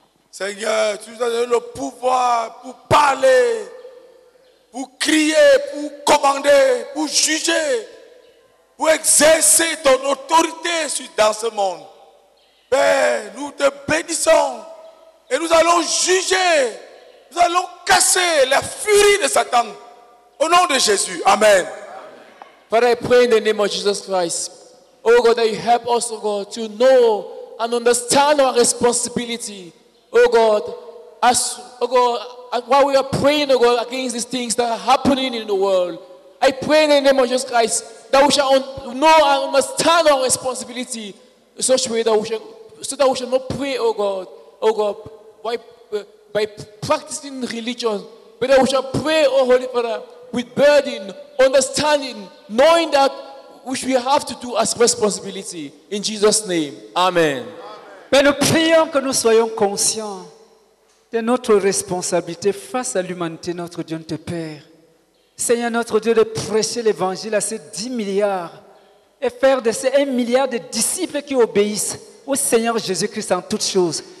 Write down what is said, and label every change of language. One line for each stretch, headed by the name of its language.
French: Seigneur, tu nous as donné le pouvoir pour parler, pour crier, pour commander, pour juger, pour exercer ton autorité dans ce monde. Père, nous te bénissons et nous allons juger, nous allons casser la furie de Satan. Au nom de Jésus, amen.
English: Father, I pray in the name of Jesus Christ. Oh God, that you help us, oh God, to know and understand our responsibility. Oh God, while we are praying, oh God, against these things that are happening in the world, I pray in the name of Jesus Christ that we shall know and understand our responsibility in such a way that we shall not pray, oh God, by practicing religion, but that we shall pray, oh Holy Father, with burden, understanding, knowing that which we have to do as responsibility. In Jesus' name, amen.
French: Père, nous prions que nous soyons conscients de notre responsabilité face à l'humanité, notre Dieu, notre Père. Seigneur, notre Dieu, de prêcher l'évangile à ces 10 milliards et faire de ces 1 milliard de disciples qui obéissent au Seigneur Jésus-Christ en toutes choses.